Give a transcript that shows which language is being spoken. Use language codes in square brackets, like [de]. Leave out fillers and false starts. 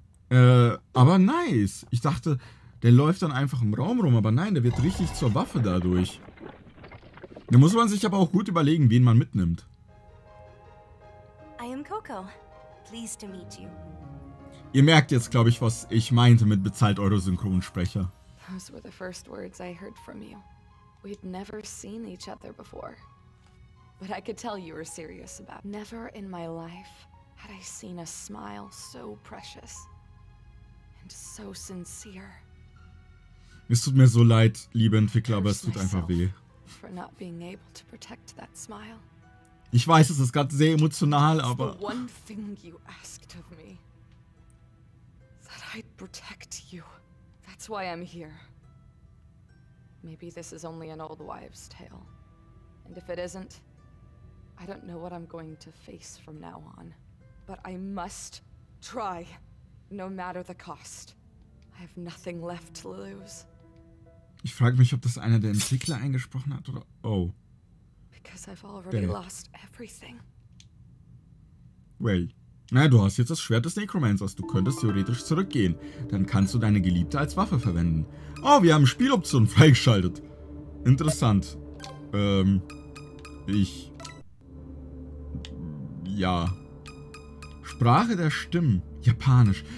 [de] Aber nice. Ich dachte, der läuft dann einfach im Raum rum. Aber nein, der wird richtig zur Waffe dadurch. Da muss man sich aber auch gut überlegen, wen man mitnimmt. [en] I am Coco. Pleased to meet you. [de] Ihr merkt jetzt, glaube ich, was ich meinte mit bezahlt eure Synchronsprecher. [en] Those were the first words I heard from you. We'd never seen each other before. But I could tell you were serious about it. Never in my life had I seen a smile so precious and so sincere. [de] Es tut mir so leid, liebe Entwickler, aber es tut einfach weh. [en] For not being able to protect that smile. [de] Ich weiß, es ist gerade sehr emotional, aber [en] the one thing you asked of me. That I'd protect you. That's why I'm here. Maybe this is only an old wives tale. And if it isn't, I don't know what I'm going to face from now on. But I must try, no matter the cost. I have nothing left to lose. [de] Ich frage mich, ob das einer der Entwickler eingesprochen hat oder... Oh. [en] Because I've already lost everything. Well. [de] Naja, du hast jetzt das Schwert des Necromancers. Du könntest theoretisch zurückgehen. Dann kannst du deine Geliebte als Waffe verwenden. Oh, wir haben Spieloptionen freigeschaltet. Interessant. Ich... Ja. Sprache der Stimmen. Japanisch.